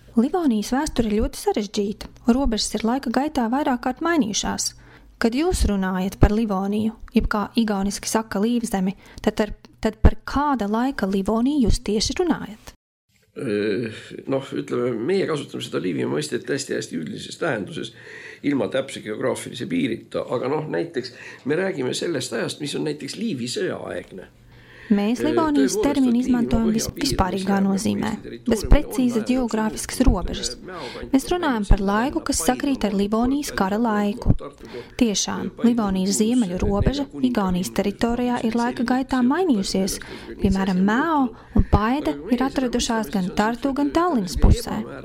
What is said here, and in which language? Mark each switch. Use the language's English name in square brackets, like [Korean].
[Latvian] Livonijas vēsture ļoti sarežģīta. Robežas ir laika gaitā vairāk kārt mainījušās. Kad jūs runājat par Livoniju, jeb kā igauniski saka Līvzemi, tad par kāda laika Livoniju jūs tieši runājat? [Estonian] Noh, ütleme, meie kasutame seda Liivimaa mõistet hästi üldises tähenduses, ilma täpse geograafilise piirita, aga noh, näiteks me räägime sellest ajast, mis on näiteks Liivi sõjaaegne. [Latvian] Mees Livonijas termini izmantojam vispārīgā nozīmē, bez precīzas geogrāfiskas robežas. Mēs runājam par laiku, kas sakrīt ar Livonijas kara laiku. Tiešām, Livonijas ziemeļu robeža Igaunijas teritorijā ir laika gaitā mainījusies, piemēram, Mēo un Paide ir atradušās gan Tartu, gan Tallinas pusē.